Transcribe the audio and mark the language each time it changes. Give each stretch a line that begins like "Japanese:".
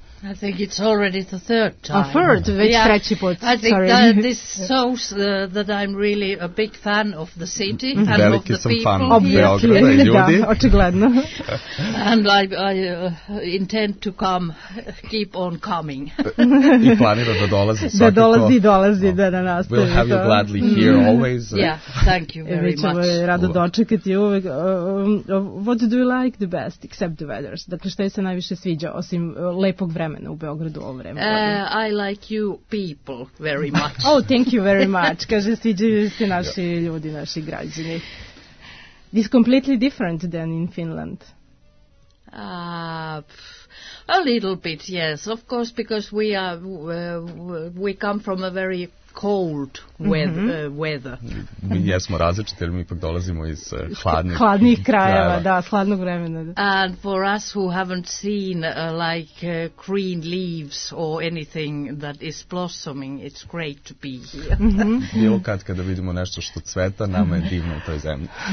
English: I think it's already the third time.
Serbian: Treći put.
English: I think this shows that I'm really a big fan of the city and
Serbian: veliki
English: of the people. Obviously,
Serbian: Beograda, ljudi. Da, očigledno.
English: And I intend to come, keep on coming.
Serbian: I planira da dolazi svakako. Da dolazi i dolazi, da nastavi.
English: We'll have you gladly here always. Yeah, thank you very much.
Serbian: Mi ćemo rado dočekati uvek.
English: What do you like the best, except the weather?
Serbian: Dakle, što se najviše sviđa, osim lepog vremena u Beogradu ovo vreme?
English: I like you people very much. Oh, thank you very much.
Serbian: Kaže, sviđaju se naši ljudi, naši građani.
English: It's completely different than in Finland. A little bit, yes. Of course, because we are we come from a very cold weather.
Serbian: Mi jesmo različiti, jer mi ipak dolazimo iz hladnih krajeva, da, hladnog vremena.
English: And for us who haven't seen like green leaves or anything that is blossoming, it's great to be here.
Serbian: Bilo kada vidimo nešto što cveta, nama je divno u toj zemlji.